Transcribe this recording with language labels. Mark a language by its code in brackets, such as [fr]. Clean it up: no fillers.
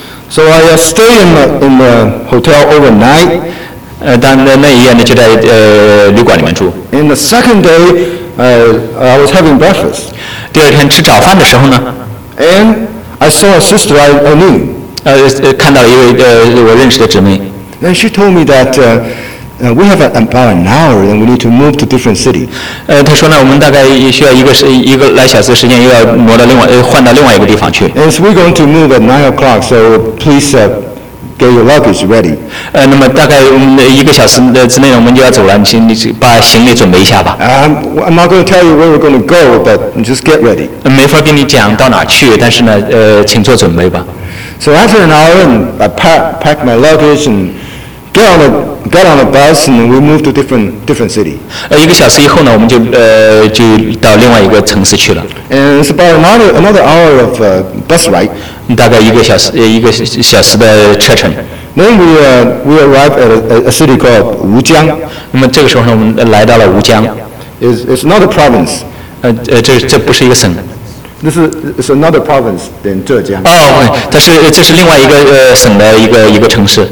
[en] So I stayed in the hotel overnight. [zh] 但那一夜呢，就在旅馆里面住。 [en] In the second day, I was having breakfast. [zh] 第二天吃早饭的时候呢 [en] ，And I saw a sister I knew. [zh] 看到了一位我认识的姊妹。 [en] And she told me that we have about an hour, and we need to move to different city. [zh] 她说呢，我们大概需要一个来小时的时间，又要挪到换到另外一个地方去。 [en] And so we're going to move at 9 o'clock, so please get your luggage ready. [zh] 那么大概一个小时之内我们就要走了，你把行李准备一下吧。 [en] I'm not going to tell you where we're going to go, but just get ready. [zh] 没法跟你讲到哪去，但是呢，请做准备吧。 [en] So after an hour, and I pack my luggage and get on a bus, and we moved to different city. [zh] 一个小时以后呢，我们就到另外一个城市去了。 [en] And it's about another hour of bus ride. [zh] 大概一个小时的车程。 [en] Then we arrived at a city called Wujiang. [zh] 那么这个时候呢，我们来到了吴江。 [en] It's not a province. [zh] 这不是一个省。 [en] This is another province than 浙江。 [zh] 这是另外一个省的一个城市。